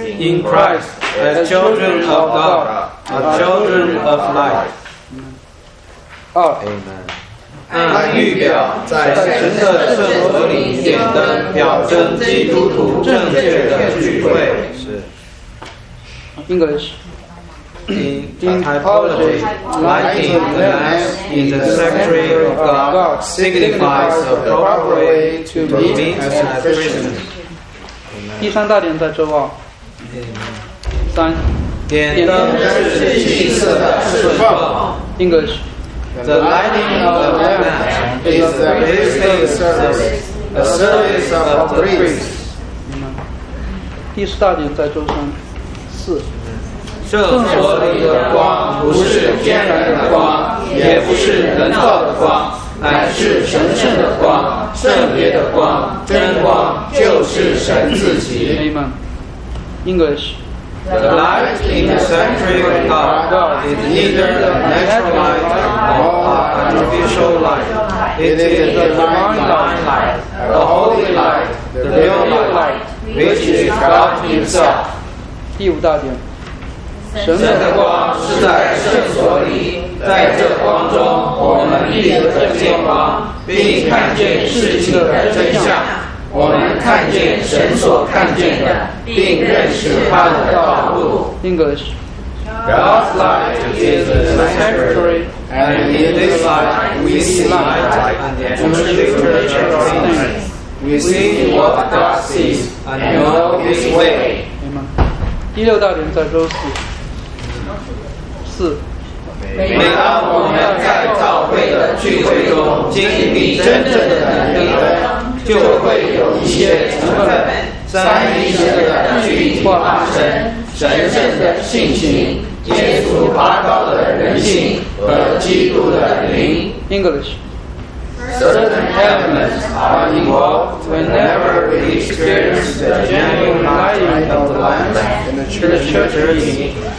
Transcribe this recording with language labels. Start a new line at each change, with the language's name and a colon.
English: in Christ as children of God are children of light。 Amen。
Chinese: 按预表在神的圣所里点灯，表征基督徒正确的聚会。是。
English: English。 In typology, lighting lamps in the sanctuary of God signifies the proper way to meet as a Christian。
Chinese: 第三大点在周二。三。点灯是祭祀的侍奉。
English: English。 The lighting of the lamp is a priestly service, the service of the priests。
Chinese: 第四大点在周三。四。圣所里的光不是天然的光，也不是人造的光，乃是神圣的光，圣别的光，真光就是神自己。
English: Amen。 English。 The light in the sanctuary of God is neither the natural light nor artificial light. It is the divine light, the holy light, the real light, which is God Himself.
Chinese: 第五大点，神的光是在圣所里，在这光中，我们一直看见光，并看见事情的真相。我们看见神所看见的，并认识他的道路。
English: English。 God's light is the sanctuary, and in this light we see light and the truth of things. We see what God sees and know His way。
Chinese: 第六大点在周四。四。每当我们在教会的聚会中经历真正的能力，就会有一些成分三一神的具体化身，神圣的性情，耶稣拔高的人性和基督的灵。
English: English。 Certain elements are involved whenever we experience the genuine light of the lamp in the church meeting。